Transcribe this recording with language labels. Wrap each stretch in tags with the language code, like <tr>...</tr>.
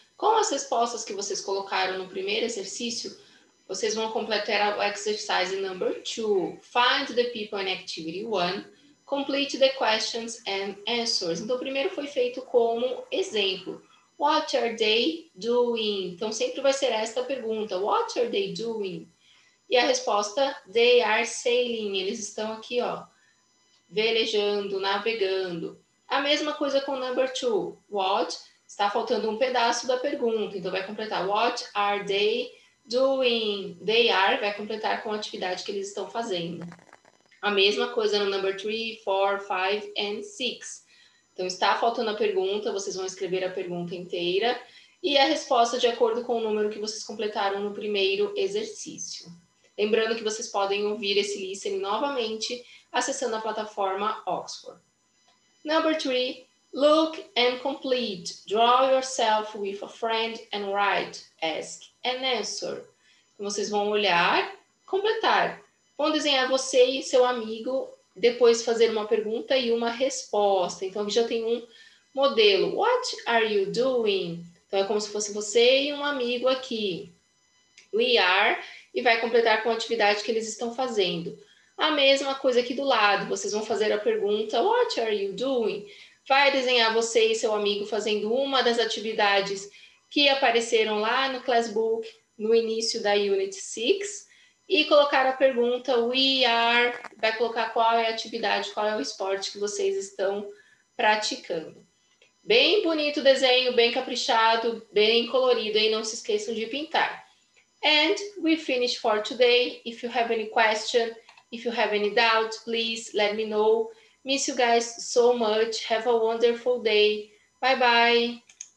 <pt>Com as respostas que vocês colocaram no primeiro exercício, vocês vão completar o</pt> <en>exercise number 2. Find the people in activity 1. Complete the questions and answers.</en> <pt>Então, o primeiro foi feito como exemplo.</pt> <en>What are they doing?</en> <pt>Então, sempre vai ser esta pergunta.</pt> <en>What are they doing?</en> <pt>E a resposta,</pt> <en>they are sailing.</en> <pt>Eles estão aqui, ó, velejando, navegando. A mesma coisa com number 2. What? Está faltando um pedaço da pergunta. Então, vai completar.</pt> <en>What are they doing? They are,</en> <pt>vai completar com a atividade que eles estão fazendo. A mesma coisa no</pt> <en>number 3, 4, 5 and 6.</en> <pt>Então, está faltando a pergunta, vocês vão escrever a pergunta inteira e a resposta de acordo com o número que vocês completaram no primeiro exercício. Lembrando que vocês podem ouvir esse listening novamente acessando a plataforma Oxford.</pt> <en>Number 3, look and complete. Draw yourself with a friend and write, ask and answer.</en> <pt>Então, vocês vão olhar, completar. Vão desenhar você e seu amigo, depois fazer uma pergunta e uma resposta. Então, já tem um modelo.</pt> <en>What are you doing?</en> <pt>Então, é como se fosse você e um amigo aqui.</pt> <en>We are.</en> <pt>E vai completar com a atividade que eles estão fazendo. A mesma coisa aqui do lado. Vocês vão fazer a pergunta.</pt> <en>What are you doing?</en> <pt>Vai desenhar você e seu amigo fazendo uma das atividades que apareceram lá no classbook, no início da Unit 6. E colocar a pergunta,</pt> <en>we are,</en> <pt>vai colocar qual é a atividade, qual é o esporte que vocês estão praticando. Bem bonito o desenho, bem caprichado, bem colorido, hein? Não se esqueçam de pintar.</pt> <en>And we finish for today. If you have any question, if you have any doubt, please let me know. Miss you guys so much. Have a wonderful day. Bye bye.</en>